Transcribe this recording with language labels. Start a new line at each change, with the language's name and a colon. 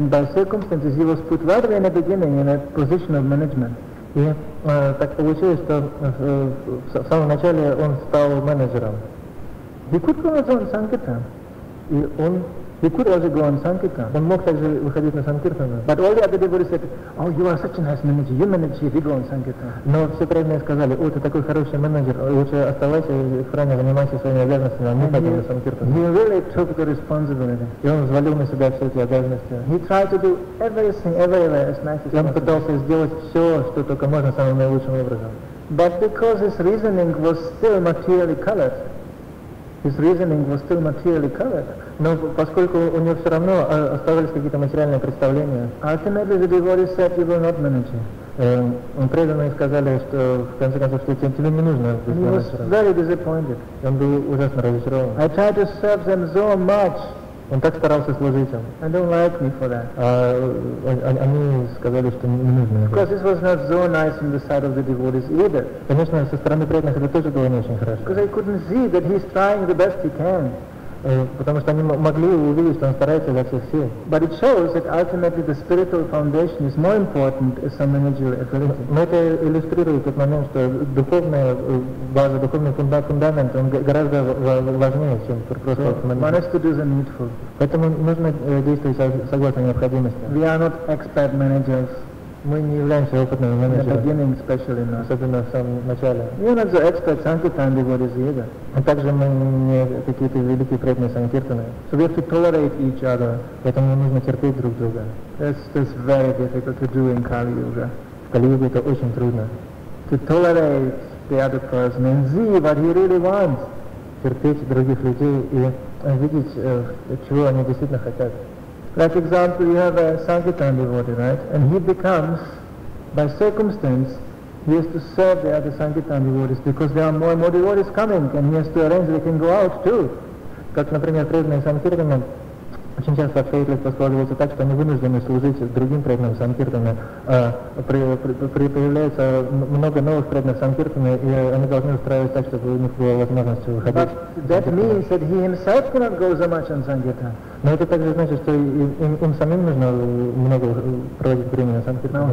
English: And by circumstances, he was put right away in the beginning in a position of management.
Russian: И так получилось, что в самом начале он стал менеджером.
English: He could go on Sankirtan.
Russian: И он...
English: He could also go on Sankirtan.
Russian: Он мог также выходить на Санкиртану.
English: But all the other devotees said, oh, you are such a nice manager, you manage if you go on Sankirtan.
Russian: Но все правильно сказали, о, ты такой хороший менеджер, лучше оставайся в храме, занимайся своими обязанностями, а не пойдем на Санкиртан.
English: He really took the responsibility.
Russian: И он взвалил на себя все эти обязанности.
English: He tried to do everything, everywhere as nice as possible.
Russian: И он пытался сделать все, что только можно, самым наилучшим образом.
English: But because his reasoning was still materially colored,
Russian: Но поскольку у него все равно оставались какие-то материальные представления,
English: ultimately the devotees said, you will not manage.
Russian: Преданные сказали, что в конце концов, что тебе не нужно быть менеджером.
English: He was very disappointed.
Russian: Он был ужасно разочарован.
English: I tried to serve them so much.
Russian: Он так старался служить им.
English: And don't like me for that.
Russian: Они сказали, что не нужно.
English: Because this was not so nice in the sight of the devotees either.
Russian: Конечно, со стороны преданных это тоже было не очень хорошо.
English: Because I couldn't see that he's trying the best he can.
Russian: Потому что они могли увидеть, что он старается изо всех сил.
English: But it shows that ultimately the spiritual foundation is more important as some managerial ability.
Russian: Но это иллюстрирует тот момент, что духовная база, духовный фундамент, он гораздо важнее, чем просто
English: фундамент. One has to do the needful.
Russian: Поэтому нужно действовать согласно необходимости.
English: We are not expert managers.
Russian: Мы не являемся опытными менеджерами.
English: In the beginning, especially not.
Russian: Особенно в самом начале.
English: You're not the expert Sankirtan devotees either.
Russian: А также мы не какие-то великие преданные Санкиртаны.
English: So we have to tolerate each other.
Russian: Поэтому нужно терпеть друг друга.
English: That's very difficult to do in Kali Yuga.
Russian: В Кали Юге это очень трудно.
English: To tolerate the other person and see what he really wants.
Russian: Терпеть других людей и видеть, чего они действительно хотят.
English: Like example, you have a Sankirtan devotee, right? And he becomes, by circumstance, He has to serve the other Sankirtan devotees, because there are more and more devotees coming, and he has to arrange they can go out too.
Russian: Как, например, преданные Санкиртаны, очень часто обстоятельства складываются так, что они вынуждены служить другим преданным Санкиртаны. Появляется много новых преданных Санкиртаны, и они должны устраивать так, чтобы у них была возможность выходить.
English: But that Sankirtana. Means that he himself cannot go so much on Sankirtan.
Russian: Но это также значит, что им самим нужно много проводить времени на Санкиртане.